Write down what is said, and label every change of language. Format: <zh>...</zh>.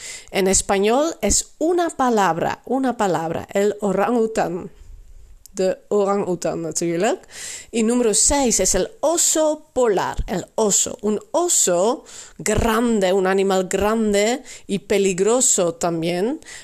<es>En español es una palabra. Una palabra. El orangután.</es> <nl>De orangután, natuurlijk.</nl> <es>Y número 6 es el oso polar. El oso. Un oso grande, un animal grande y peligroso también.</es>